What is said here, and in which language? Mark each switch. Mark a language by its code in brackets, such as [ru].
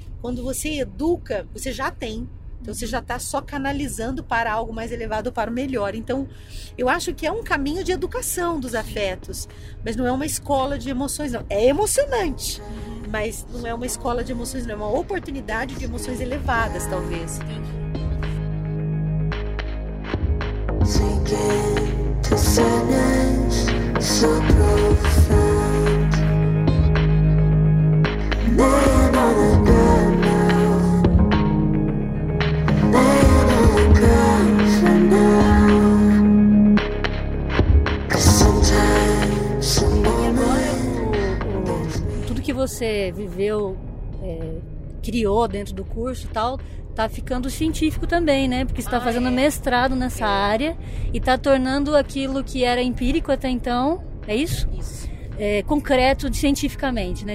[pt] Quando você educa, você já tem. Então, uhum, você já está só canalizando para algo mais elevado, para o melhor. Então, eu acho que é um caminho de educação dos afetos. Mas não é uma escola de emoções, não. É emocionante. Uhum. Mas não é uma escola de emoções, não. É uma oportunidade de emoções elevadas, talvez. Entendi. [en] To sadness so profound, laying on the ground now, laying on the ground for now. 'Cause sometimes the moment. [pt] Tudo que você viveu, criou dentro do curso e tal, tá ficando científico também, né? Porque você tá fazendo mestrado nessa área e tá tornando aquilo que era empírico até então, é isso? Isso. É, concreto cientificamente, né?